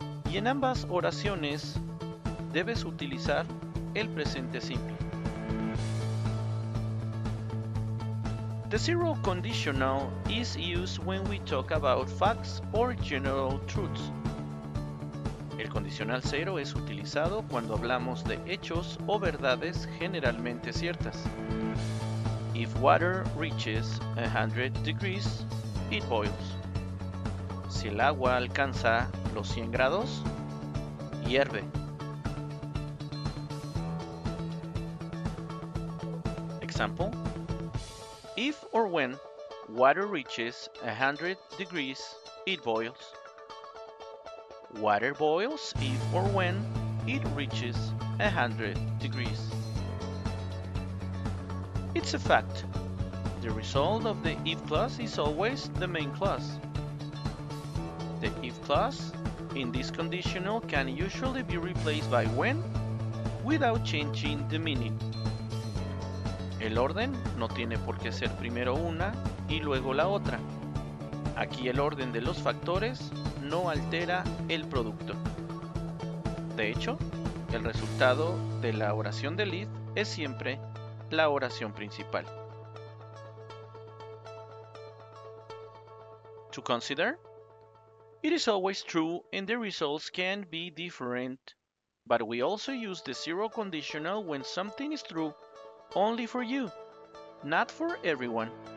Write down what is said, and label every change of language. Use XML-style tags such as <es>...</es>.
<es>Y en ambas oraciones debes utilizar el presente simple.</es> <en>The zero conditional is used when we talk about facts or general truths.</en> <es>El condicional cero es utilizado cuando hablamos de hechos o verdades generalmente ciertas.</es> <en>If water reaches 100 degrees, it boils.</en> <es>Si el agua alcanza los 100 grados, hierve.</es> <en>Example: if or when water reaches 100 degrees, it boils. Water boils if or when it reaches 100 degrees. It's a fact. The result of the if clause is always the main clause. The if clause in this conditional can usually be replaced by when without changing the meaning.</en> <es>El orden no tiene por qué ser primero una y luego la otra. Aquí el orden de los factores no altera el producto. De hecho, el resultado de la oración de lead es siempre la oración principal.</es> <en>To consider, it is always true and the results can be different, but we also use the zero conditional when something is true only for you, not for everyone.</en>